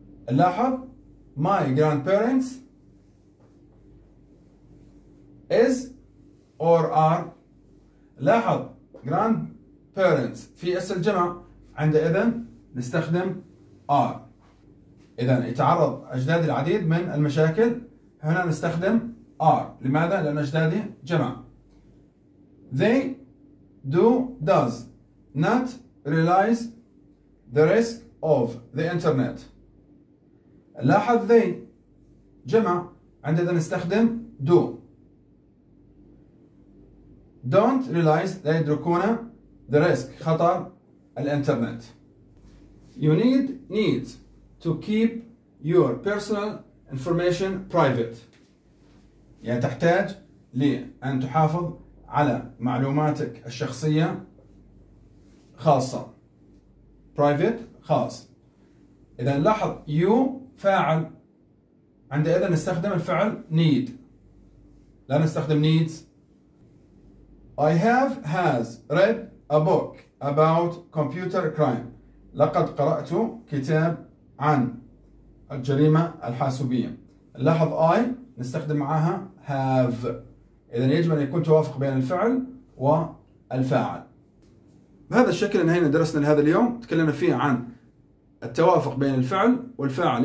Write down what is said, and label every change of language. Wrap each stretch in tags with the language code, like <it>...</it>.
<ar>لاحظ</ar> <en>my grandparents is or are.</en> <ar>لاحظ grandparents في اس الجمع، عندئذ نستخدم are. إذن يتعرض أجدادي العديد من المشاكل، هنا نستخدم are. لماذا؟ لأن أجدادي جمع.</ar> <en>They does not realize the risk of the internet.</en> <ar>لاحظ ذي جمع عندما نستخدم do.</ar> <en>Don't realize</en> <ar>لا يدركون</ar> <en>the risk</en> <ar>خطر الانترنت.</ar> <en>You need to keep your personal information private.</en> <ar>يعني تحتاج لأن تحافظ على معلوماتك الشخصية خاصة. Private خاص. إذا لاحظ you فاعل. عندئذ نستخدم الفعل need. لا نستخدم needs.</ar> <en>I have has read a book about computer crime.</en> <ar>لقد قرأت كتاب عن الجريمة الحاسوبية. لاحظ I نستخدم معها have. إذن يجب أن يكون توافق بين الفعل والفاعل. بهذا الشكل انهينا درسنا لهذا اليوم. تكلمنا فيه عن التوافق بين الفعل والفاعل.</ar>